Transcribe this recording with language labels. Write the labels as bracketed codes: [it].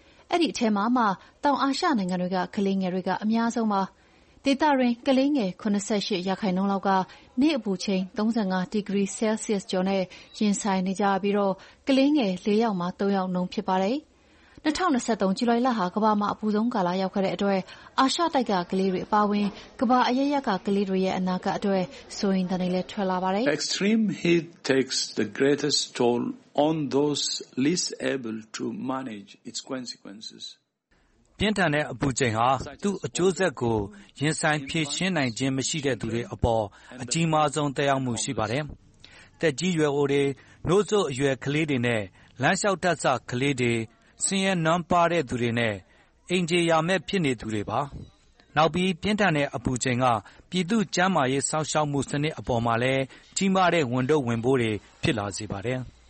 [my] အဲ့ဒီအထက်မှာမှတောင်အာရှနိုင်ငံတွေကကလေးငယ်တွေကအများဆုံးပါဒေသတွင်ကလေးငယ်88ရာခိုင်နှုန်းလောက်ကနေ့အပူချိန်35ဒီဂရီဆဲလ်ဆီယပ်ကျော်နဲ့ရင်ဆိုင်နေကြပြီးတော့ကလေးငယ်၄ယောက်မှ၃ယောက်နှုန်းဖြစ်ပါတယ်။2023ဇူလိုင်လဟာကမ္ဘာမှာအပူဆုံးကာလရောက်ခဲ့တဲ့အတွက်အာရှတိုက်ကကလေးတွေအပါဝင်ကမ္ဘာအရရက်ကကလေးတွေရဲ့အနာဂတ်အတွက်စိုးရင်တနေလဲထွက်လာပါတယ်။ [en] Extreme heat takes the greatest toll on those least able to manage its consequences. [my] ပြင်းထန်တဲ့အပူချိန်ဟာသူ့အကျိုးဆက်ကိုရင်ဆိုင်ဖြည့်ရှင်းနိုင်ခြင်းမရှိတဲ့သူတွေအပေါ်အကြီးမားဆုံးတက်ရောက်မှုရှိပါတယ်။တက်ကြီးရွယ်အိုတွေ၊နှိုးစုပ်အရွယ်ကလေးတွေနဲ့လမ်းလျှောက်တက်ဆကလေးတွေ၊ဆင်းရဲနှံပါတဲ့သူတွေနဲ့အင်ဂျီယာမဲ့ဖြစ်နေသူတွေပါ။နောက်ပြီးပြင်းထန်တဲ့အပူချိန်ကပြည်သူ့ကျန်းမာရေးဆောင်ရှောက်မှုစနစ်အပေါ်မှာလည်းကြီးမားတဲ့ဝန်ထုပ်ဝင်ပိုးတွေဖြစ်လာစေပါတယ်။